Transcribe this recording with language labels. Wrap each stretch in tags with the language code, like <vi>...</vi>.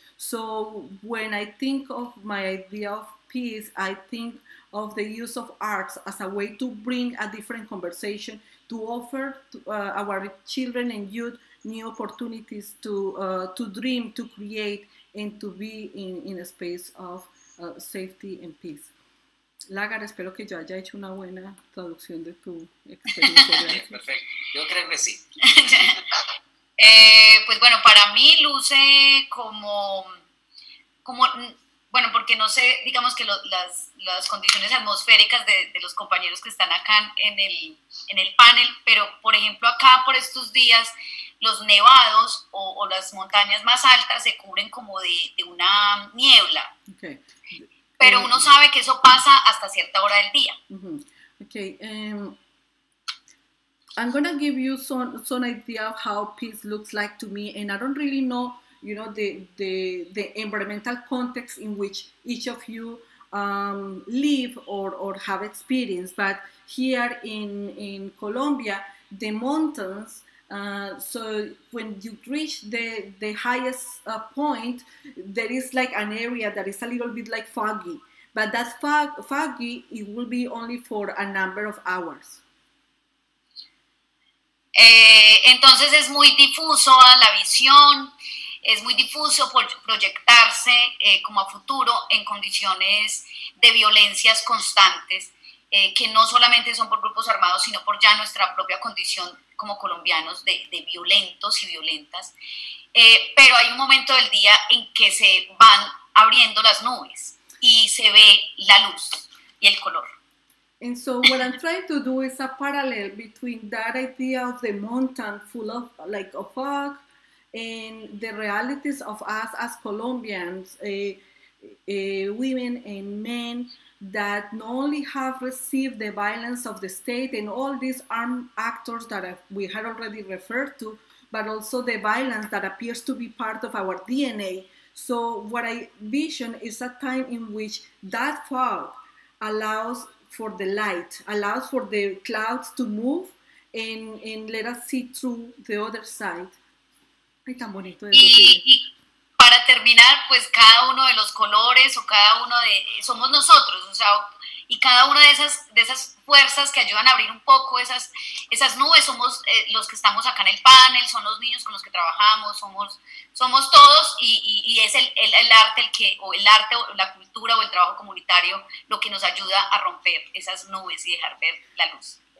<en>So when I think of my idea of peace, I think of the use of arts as a way to bring a different conversation, to offer to our children and youth new opportunities to dream, to create, and to be in a space of safety and peace.</en> <es>Lagar, espero que yo haya hecho una buena traducción de tu experiencia. Perfecto, yo creo que sí. pues bueno, para mí luce como Bueno, porque no sé, digamos que las condiciones atmosféricas de los compañeros que están acá en el panel, pero por ejemplo acá por estos días los nevados o las montañas más altas se cubren como de una niebla. Okay. Pero uno sabe que eso pasa hasta cierta hora del día. Uh-huh. Okay.</es> <en>I'm gonna give you some idea of how peace looks like to me, and I don't really know, you know, the environmental context in which each of you live or have experience. But here in Colombia, the mountains, so when you reach the highest point, there is like an area that is a little bit like foggy. But that foggy, it will be only for a number of hours.</en> <es>Entonces es muy difuso a la visión. Es muy difuso proyectarse como a futuro en condiciones de violencias constantes, que no solamente son por grupos armados, sino por ya nuestra propia condición como colombianos de violentos y violentas. Pero hay un momento del día en que se van abriendo las nubes y se ve la luz y el color.</es> <en>And so what I'm trying to do is a parallel between that idea of the mountain full of like a fog, and the realities of us as Colombians, women and men, that not only have received the violence of the state and all these armed actors that we had already referred to, but also the violence that appears to be part of our DNA. So what I vision is a time in which that fog allows for the light, allows for the clouds to move and let us see through the other side.</en> <es>Y para terminar, pues cada uno de los colores o cada uno de somos nosotros, o sea, y cada una de esas fuerzas que ayudan a abrir un poco esas nubes somos los que estamos acá en el panel, son los niños con los que trabajamos, somos todos y es el arte el que o el arte o la cultura o el trabajo comunitario lo que nos ayuda a romper esas nubes y dejar ver la luz.</es>